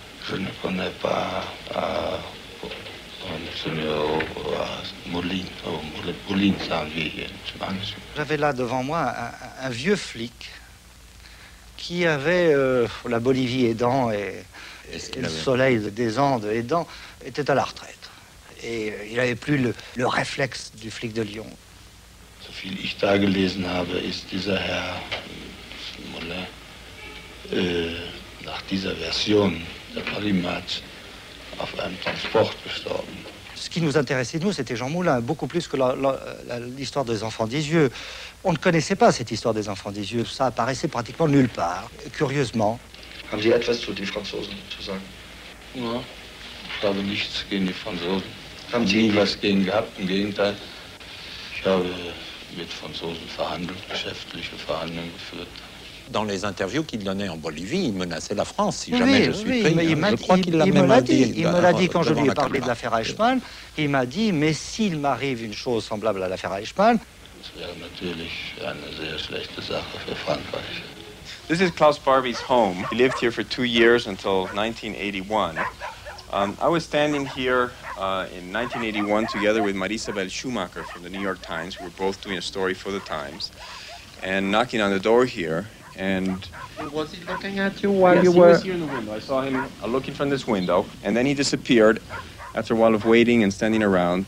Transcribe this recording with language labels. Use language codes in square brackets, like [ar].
[fr] Je ne connais pas Monsieur Moulin. Moulin, c'est un vieil. J'avais là devant moi un vieux flic qui avait la Bolivie aidant et le soleil des Andes aidant, était à la retraite. Et il n'avait plus le réflexe du flic de Lyon. [de] So viel ich da gelesen habe, ist dieser Herr Moulin, nach dieser Version der Polymath, auf einem Transport gestorben. [fr] Ce qui nous intéressait, nous, c'était Jean Moulin, beaucoup plus que l'histoire des enfants des yeux. On ne connaissait pas cette histoire des enfants des yeux, ça apparaissait pratiquement nulle part. Et curieusement, [de] haben Sie etwas zu den Franzosen zu sagen? Ja, ich habe nichts gegen die Franzosen. Haben Sie nie was gegen gehabt? Im Gegenteil, ich habe mit Franzosen verhandelt, geschäftliche Verhandlungen geführt. [fr] Dans les interviews qu'il donnait en Bolivie, il menaçait la France si oui, jamais je suis oui, pris. Mais il m'a dit, il me l'a dit quand je lui ai parlé de l'affaire Eichmann. Il m'a dit, mais s'il m'arrive une chose semblable à l'affaire Eichmann. Ce serait naturellement une très mauvaise chose pour Frankreich. [en] This is Klaus Barbie's home. He lived here for 2 years until 1981. I was standing here in 1981 together with Marisabel Schumacher from the New York Times. We were both doing a story for the Times, and knocking on the door here, and... Was he looking at you while you were... Yes, he was here in the window. I saw him looking from this window, and then he disappeared after a while of waiting and standing around.